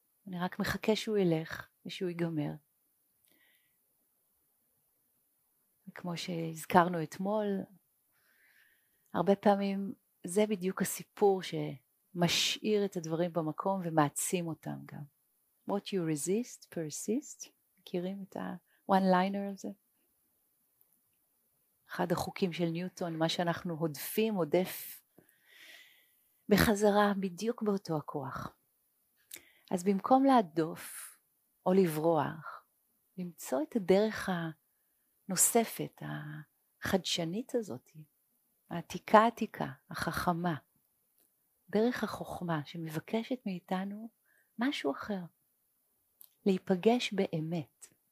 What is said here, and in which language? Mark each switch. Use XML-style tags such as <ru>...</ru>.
<he>אני רק מחכה שהוא ילך ושהוא ייגמר. וכמו שהזכרנו אתמול, הרבה פעמים זה בדיוק הסיפור שמשאיר את הדברים במקום ומעצים אותם גם.</he> <en>What you resist, persist.</en> <he>מכירים את ה...</he> <en>one liner הזה.</en> <he>אחד החוקים של ניוטון, מה שאנחנו הודפים, הודף בחזרה בדיוק באותו הכוח. אז במקום להדוף או לברוח, למצוא את הדרך הנוספת, החדשנית הזאת, העתיקה עתיקה, החכמה, דרך החוכמה שמבקשת מאיתנו משהו אחר, להיפגש באמת.</he>